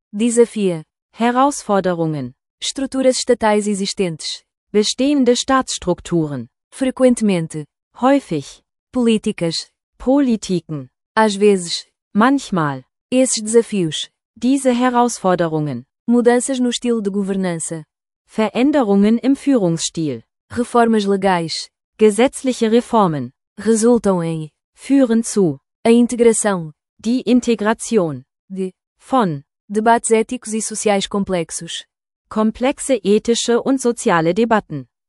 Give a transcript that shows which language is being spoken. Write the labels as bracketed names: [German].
[Portuguese] Desafia. [German] Herausforderungen. [Portuguese] Estruturas estatais existentes. [German] Bestehende Staatsstrukturen. [Portuguese] Frequentemente. [German] Häufig. [Portuguese] Políticas. [German] Politiken. [Portuguese] Às vezes. [German] Manchmal. [Portuguese] Esses desafios. [German] Diese Herausforderungen. [Portuguese] Mudanças no estilo de governança. [German] Veränderungen im Führungsstil. [Portuguese] Reformas legais. [German] Gesetzliche Reformen. [Portuguese] Resultam em. [German] Führen zu. [Portuguese] A integração. [German] Die Integration. [Portuguese] De. [German] Von. [Portuguese] Debates éticos e sociais complexos. [German] Komplexe ethische und soziale Debatten.